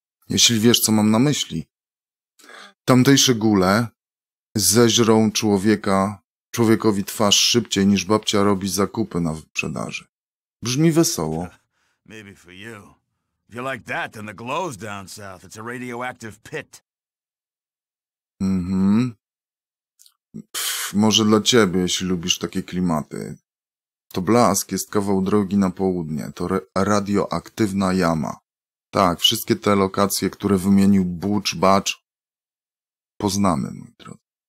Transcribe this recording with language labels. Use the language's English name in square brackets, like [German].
[Polish] Jeśli wiesz, co mam na myśli. Tamtejsze gule zeżrą człowiekowi twarz szybciej niż babcia robi zakupy na wyprzedaży. Brzmi wesoło. [English] Maybe for you. If you like that, then the glow's down south. It's a radioactive pit. [Polish] Może dla ciebie, jeśli lubisz takie klimaty. To blask jest kawał drogi na południe. To radioaktywna jama. Tak, wszystkie te lokacje, które wymienił Butch, Batch, poznamy, mój drogi.